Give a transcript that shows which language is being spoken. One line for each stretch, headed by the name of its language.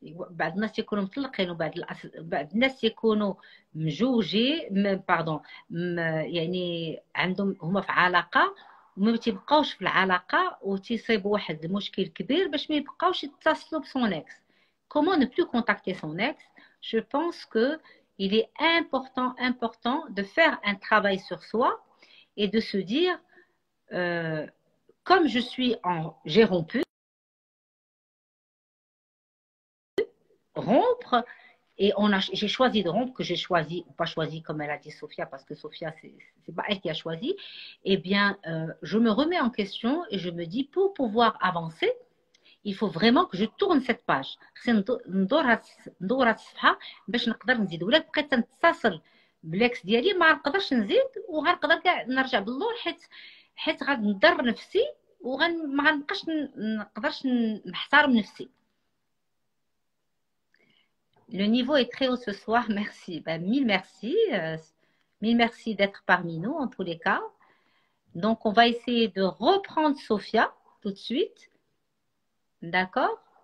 Arabic: بعض الناس يكونوا مطلقين وبعض بعض الناس يكونوا مجوجين باردون يعني عندهم هما في علاقة وما تيبقاوش في العلاقة وتيصيبوا واحد المشكل كبير باش ما يبقاوش يتصلوا بسون اكس.
French: Comment ne plus contacter son ex? Je pense que il est important de faire un travail sur soi et de se dire comme je suis en j'ai rompu, rompre et on a j'ai choisi de rompre que j'ai choisi ou pas choisi comme elle a dit Sophia parce que Sophia c'est pas elle qui a choisi. Eh bien, je me remets en question et je me dis pour pouvoir avancer. Il faut vraiment que je tourne cette page.
Arabic: خصني ندور هاد ندور هاد الصفحة باش نقدر نزيد ولا بقيت نتصل بالاكس ديالي ما نقدرش نزيد وغنقدر كاع نرجع باللور حيت غنضر نفسي وغن ما غنبقاش نقدرش نحترم نفسي.
French: Le niveau est très haut ce soir, merci. Ben, mille merci. Mille merci d'être parmi nous en tous les cas. Donc, on va essayer de reprendre Sophia tout de suite. D'accord?